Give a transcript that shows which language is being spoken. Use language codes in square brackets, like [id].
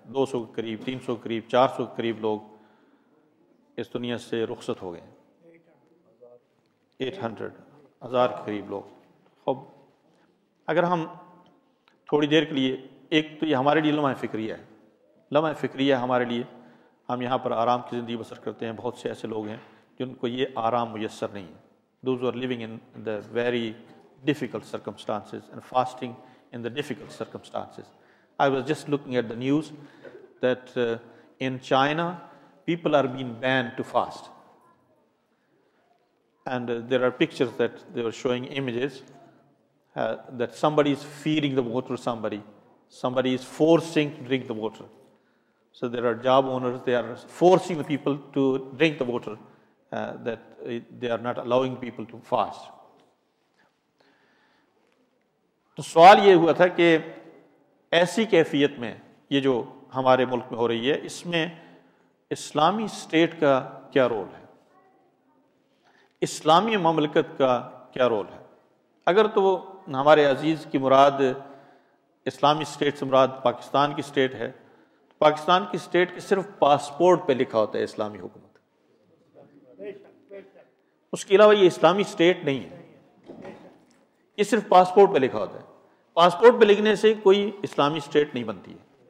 [ur] 200 کے قریب, 300 کے قریب, 400 کے قریب لوگ اس دنیا سے رخصت ہو گئے ہیں, 800,000 کے قریب لوگ. خوب اگر ہم تھوڑی دیر کے لیے, ایک تو یہ ہمارے لیے لمحہ فکریہ ہے ہمارے لیے, ہم یہاں پر آرام کی زندگی بسر کرتے ہیں. بہت سے ایسے لوگ ہیں جن کو یہ آرام میسر نہیں ہے. [en] Those are living in the very difficult circumstances and fasting in the difficult circumstances. I was just looking at the news that in China people are been banned to fast, and there are pictures that they were showing, images that somebody is feeding the water, somebody is forcing to drink the water. So there are job owners, they are forcing the people to drink the water, that they are not allowing people to fast. [ur] تو سوال یہ ہوا تھا کہ ایسی کیفیت میں یہ جو ہمارے ملک میں ہو رہی ہے اس میں اسلامی اسٹیٹ کا کیا رول ہے، اسلامی مملکت کا کیا رول ہے؟ اگر تو ہمارے عزیز کی مراد اسلامی اسٹیٹ سے مراد پاکستان کی اسٹیٹ ہے، تو پاکستان کی اسٹیٹ کے صرف پاسپورٹ پہ لکھا ہوتا ہے اسلامی حکومت، اس کے علاوہ یہ اسلامی اسٹیٹ نہیں ہے، یہ صرف پاسپورٹ پہ لکھا ہوتا ہے، پاسپورٹ پہ لکھنے سے کوئی اسلامی اسٹیٹ نہیں بنتی ہے،